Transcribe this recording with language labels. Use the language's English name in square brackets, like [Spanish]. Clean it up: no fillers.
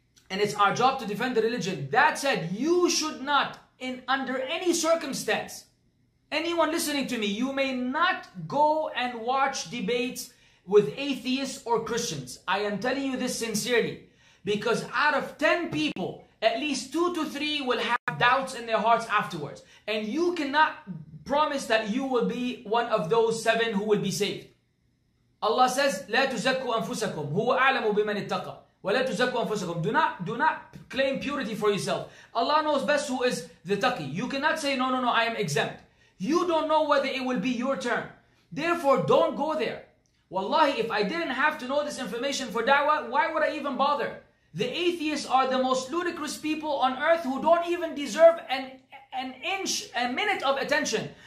[English] And it's our job to defend the religion. That said, you should not, in under any circumstance, anyone listening to me, you may not go and watch debates with atheists or Christians. I am telling you this sincerely. Because out of 10 people, at least 2 to 3 will have doubts in their hearts afterwards. And you cannot promise that you will be one of those 7 who will be saved. Allah says, [Arabic] لَا تُزَكُّوا أَنفُسَكُمْ هُوَ أَعْلَمُ بِمَنِ اتَّقَى وَلَا تُزَكُّوا أَنفُسَكُمْ [English] Do not claim purity for yourself. Allah knows best who is the taqi. You cannot say, no, I am exempt. You don't know whether it will be your turn. Therefore, don't go there. Wallahi, if I didn't have to know this information for da'wah, why would I even bother? The atheists are the most ludicrous people on earth who don't even deserve an inch, a minute of attention.